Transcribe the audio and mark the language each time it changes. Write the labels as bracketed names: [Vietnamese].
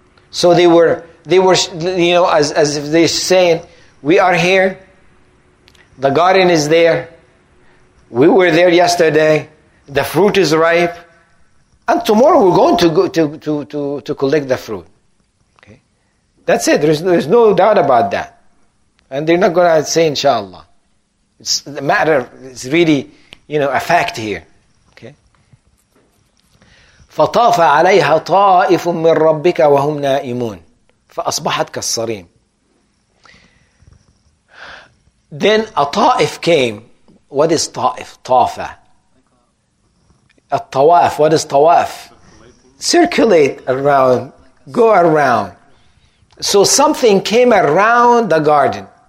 [English] So they were, as if they're saying, we are here, the garden is there, we were there yesterday, the fruit is ripe, and tomorrow we're going to go to collect the fruit. Okay, that's it. There's no doubt about that, and they're not going to say inshallah. It's the matter is really, you know, a fact here. [Arabic] فطاف عليها طائف من ربك وهم نائمون فأصبحت كالصريم. [English] Then a طائف came. What is طائف? [Arabic] طافة. الطواف. [English] What is طواف? Circulate around. Go around. So something came around the garden.